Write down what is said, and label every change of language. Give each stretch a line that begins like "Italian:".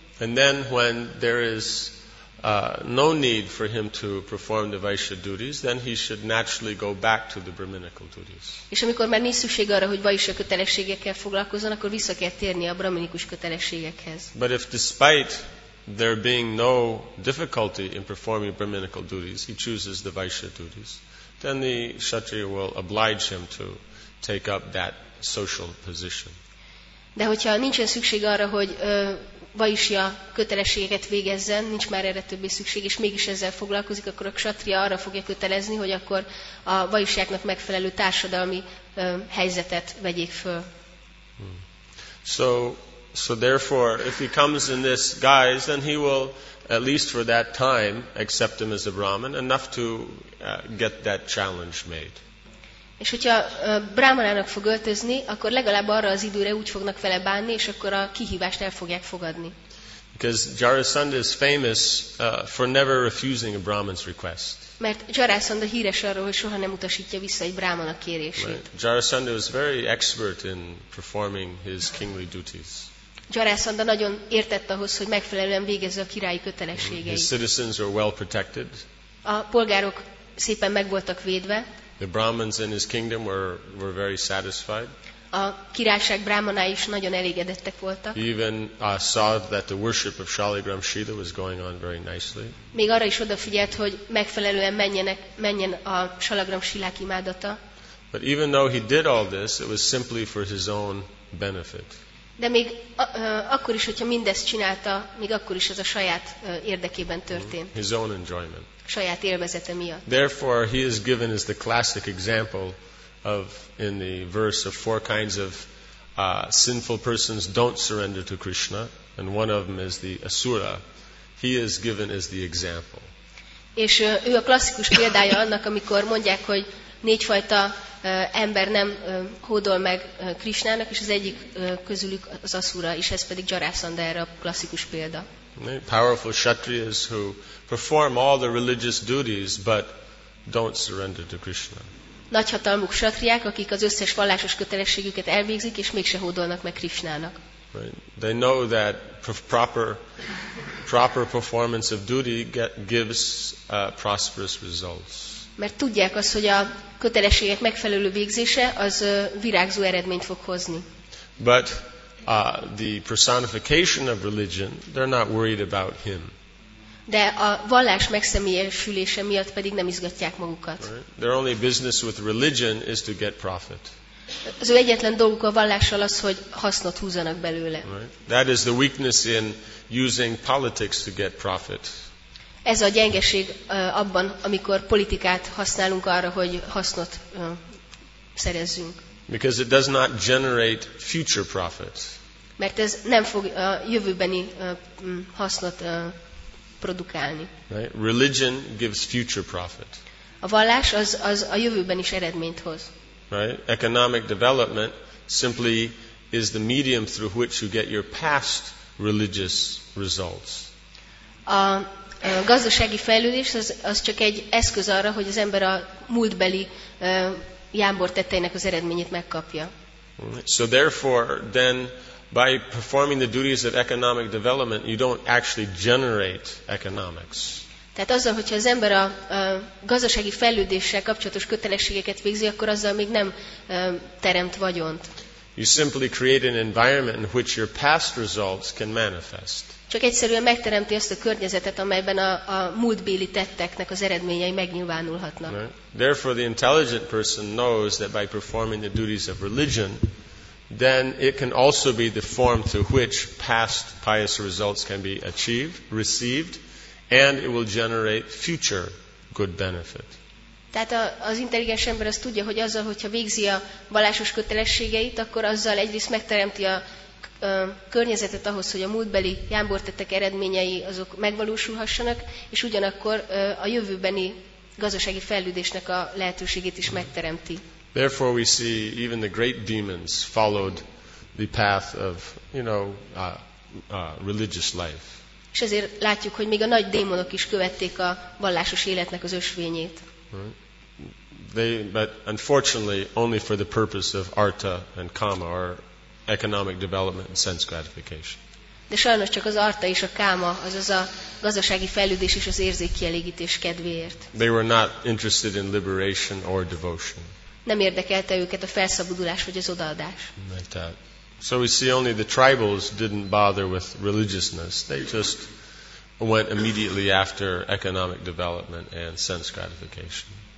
English: And then when there is no need for him to perform the vaisya duties, then he should naturally go back to the brahminical duties.
Hungarian: És amikor már nincs szükség arra, hogy vaisya kötelességekkel foglalkozzon, akkor vissza kell térni a brahminikus kötelességekhez.
English: But if despite there being no difficulty in performing brahminical duties, he chooses the vaisya duties, then the kshatriya will oblige him to take up that social position.
Hungarian: De hogyha nincsen szükség arra, hogy vaisya kötelességet végezzen, nincs már erre többé szükség, és mégis ezzel foglalkozik, akkor a kshatriya arra fogja kötelezni, hogy akkor a vaisyáknak megfelelő társadalmi helyzetet vegyék föl.
English: So therefore, if he comes in this guise, then he will, at least for that time, accept him as a Brahman, enough to get that challenge made.
Hungarian: És hogyha brámanának fog öltözni, akkor legalább arra az időre úgy fognak vele bánni, és akkor a kihívást el fogják fogadni.
English: Because Jarasandha is famous for never refusing a Brahman's request.
Hungarian: Mert Jarasandha híres arról, hogy soha nem utasítja vissza egy brámana kérését.
English: Right. Jarasandha is very expert in performing his kingly duties.
Hungarian: Jarasandha nagyon értett ahhoz, hogy megfelelően végezze a királyi kötelességeit.
English: His citizens are well protected.
Hungarian: A polgárok szépen meg voltak védve.
English: The Brahmins in his kingdom were very satisfied.
Hungarian: A királyság brahmanái is nagyon elégedettek voltak.
English: He even saw that the worship of Shaligram Sita was going on very nicely.
Hungarian: Még arra is odafigyelt, hogy megfelelően menjen a Shaligram Silák imádata.
English: But even though he did all this, it was simply for his own benefit.
Hungarian: De még akkor is, hogyha mindezt csinálta, még akkor is ez a saját érdekében történt.
English: His own enjoyment.
Hungarian: Saját élvezete miatt.
English: Therefore, he is given as the classic example of in the verse of four kinds of sinful persons don't surrender to Krishna, and one of them is the asura. He is given as the example.
Hungarian: És ő a klasszikus példája annak, amikor mondják, hogy négyfajta ember nem hódol meg Krishnának, és az egyik közülük az asura, és ez pedig Jarasandha, erre a klasszikus példa.
English: Powerful kshatriyas who perform all the religious duties but don't surrender to Krishna.
Hungarian: Nagyhatalmú kshatriyák, akik az összes vallásos kötelességüket elvégzik, és mégse hódolnak meg Krishnának.
English: Right. They know that proper performance of duty gives prosperous results.
Hungarian: Mert tudják azt, hogy a kötelességek megfelelő végzése az virágzó eredményt fog hozni.
English: But the personification of religion, they're not worried about him.
Hungarian: De a vallás megszemélyesülése miatt pedig nem izgatják magukat.
English: Right? Their only business with religion is to get profit.
Hungarian: Az ő egyetlen dolguk a vallással az, hogy hasznot húzzanak belőle.
English: Right? That is the weakness in using politics to get profit.
Hungarian: Ez a gyengeség abban, amikor politikát használunk arra, hogy hasznot szerezzünk.
English: Because it does not generate future profit.
Hungarian: Mert ez nem fog a jövőbeni hasznot produkálni.
English: Right? Religion gives future profit.
Hungarian: A vallás az a jövőben is eredményt hoz.
English: Right? Economic development simply is the medium through which you get your past religious results.
Hungarian: A gazdasági fejlődés az csak egy eszköz arra, hogy az ember a múltbeli jámbor tetteinek az eredményét megkapja.
English: So therefore, then, by performing the duties of economic development, you don't actually generate economics.
Hungarian: Tehát azzal, hogyha az ember a gazdasági fejlődéssel kapcsolatos kötelességeket végzi, akkor azzal még nem teremt vagyont.
English: You simply create an environment in which your past results can manifest.
Hungarian: Csak egyszerűen megteremti azt a környezetet, amelyben a múltbéli tetteknek az eredményei megnyilvánulhatnak.
English: Therefore, the intelligent person knows that by performing the duties of religion, then it can also be the form through which past pious results can be achieved, received, and it will generate future good benefit.
Hungarian: Tehát az intelligens ember azt tudja, hogy azzal, hogyha végzi a vallásos kötelességeit, akkor azzal egyrészt megteremti a környezetet ahhoz, hogy a múltbeli jámbortettek eredményei azok megvalósulhassanak, és ugyanakkor a jövőbeni gazdasági fejlődésnek a lehetőségét is megteremti.
English: Therefore we see even the great demons followed the path of, you know, religious life.
Hungarian: És ezért látjuk, hogy még a nagy démonok is követték a vallásos életnek az ösvényét.
English: But unfortunately only for the purpose of artha and kama, or economic development and sense gratification.
Hungarian: De sajnos csak az artha és a káma, azaz a gazdasági fejlődés és az érzékkielégítés kedvéért.
English: They were not interested in liberation or devotion.
Hungarian: Nem érdekelte őket a felszabadulás vagy az odaadás.
English: So we see only the tribals didn't bother with religiousness. They just went immediately after economic development and sense gratification.